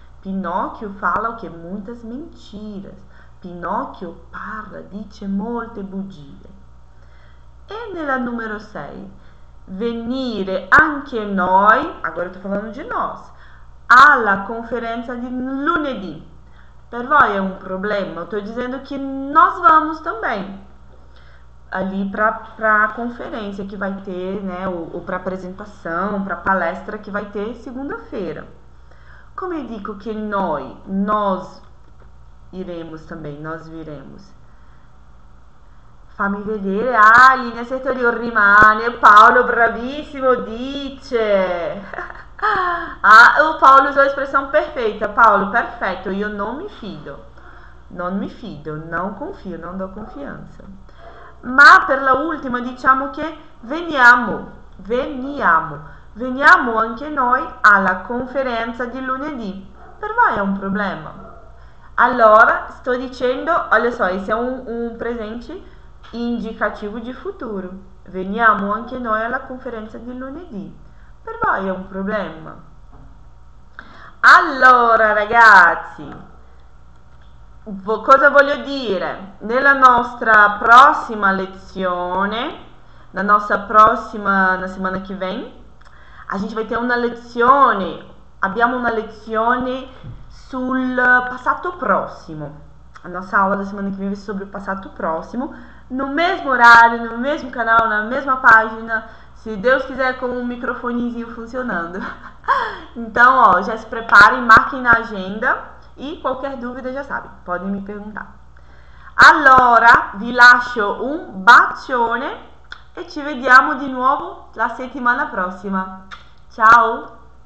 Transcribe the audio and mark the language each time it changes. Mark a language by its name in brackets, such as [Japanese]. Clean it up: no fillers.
[Portuguese] Pinocchio fala o che? Muitas mentiras. [Italian] Pinocchio parla, dice molte bugie. E nella numero 6, venire anche noi, agora sto parlando di noi, alla conferenza di lunedì. Per voi è un problema, sto dicendo che [Portuguese] nós vamos também. Ali para a conferência que vai ter, né? Ou para apresentação, para palestra que vai ter segunda-feira. Como eu digo que nós iremos também, nós viremos. [Italian] Fammi vedere. [Portuguese] Ah, Aline acertou ali, o rimane. Paulo, bravíssimo, dice. Ah, o Paulo usou a expressão perfeita. Paulo, perfeito. [Italian] Io non mi fido. Non mi fido, [Portuguese] não confio, não dou confiança. [Italian] Ma per la ultima diciamo che veniamo, veniamo. Veniamo anche noi alla conferenza di lunedì. Per voi è un problema. Allora, sto dicendo, [Portuguese] olha só, esse é um presente indicativo de futuro. [Italian] Veniamo anche noi alla conferenza di lunedì. Per voi è un problema. Allora, ragazzi, cosa voglio dire? Nella nostra prossima lezione, la nostra prossima, la settimana che vem, [Portuguese] a gente vai ter uma [Italian] lezione, abbiamo uma lezione sul passato prossimo. [Portuguese] A nossa aula da semana que vem é sobre o passato próximo, no mesmo horário, no mesmo canal, na mesma página, se Deus quiser com um microfonezinho funcionando. Então, ó, já se preparem, marquem na agenda e qualquer dúvida já sabe, podem me perguntar. [Italian] Allora, vi lascio un bacione e ci vediamo di nuovo la settimana prossima. Ciao!